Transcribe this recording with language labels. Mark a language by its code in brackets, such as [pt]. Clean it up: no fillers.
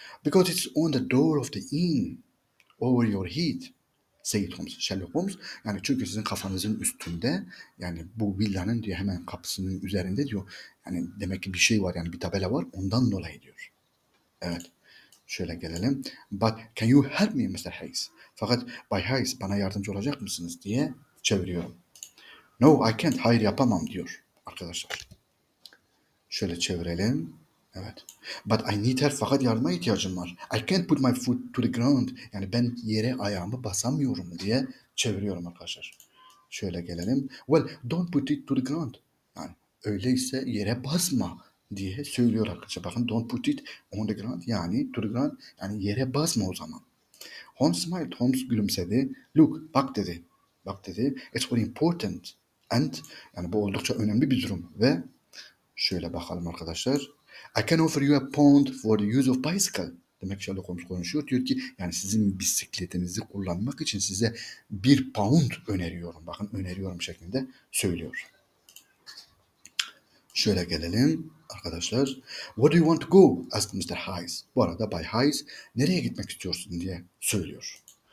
[en] Because it's on the door of the inn over your head, said Holmes. Sherlock Holmes. [tr] Yani çünkü sizin kafanızın üstünde, yani bu villanın diyor hemen kapısının üzerinde diyor. Yani demek ki bir şey var, yani bir tabela var, ondan dolayı diyor. Evet. Şöyle gelelim. [en] But can you help me, Mr. Hayes? [tr] Fakat Bay Hayes, bana yardımcı olacak mısınız diye çeviriyorum. [en] No, I can't. [tr] Hayır, yapamam diyor arkadaşlar. Şöyle çevirelim. Evet. [en] But I need help. [tr] Fakat yardıma ihtiyacım var. [en] I can't put my foot to the ground. [tr] Yani ben yere ayağımı basamıyorum diye çeviriyorum arkadaşlar. Şöyle gelelim. [en] Well, don't put it to the ground. [tr] Yani öyleyse yere basma diye söylüyor arkadaşlar. [en] Bakın don't put it on the ground. Yani to the ground. [tr] Yani yere basma o zaman. [en] Holmes smiled. [tr] Holmes gülümsedi. [en] Look, [tr] bak dedi. Bak dedi. [en] It's very important. [tr] And yani bu oldukça önemli bir durum. Ve şöyle bakalım arkadaşlar. [en] I can offer you a pound for the use of bicycle. [tr] Demek ki Sherlock Holmes konuşuyor. Diyor ki yani sizin bisikletinizi kullanmak için size bir pound öneriyorum. Bakın öneriyorum şeklinde söylüyor. Şöyle gelelim arkadaşlar. [en] Where do you want to go? Asked Mr. Hayes. [tr] Bu arada Bay Hayes nereye gitmek istiyorsun diye söylüyor.